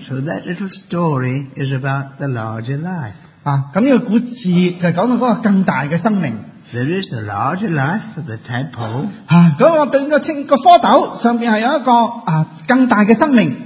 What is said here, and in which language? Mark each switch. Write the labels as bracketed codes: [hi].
[en] So that little story is about the larger life. [zh] 这个故事就讲到那个更大的生命。 [en] There is the larger life of the tadpole. [zh] 那个蝌蚪上面有一个更大的生命。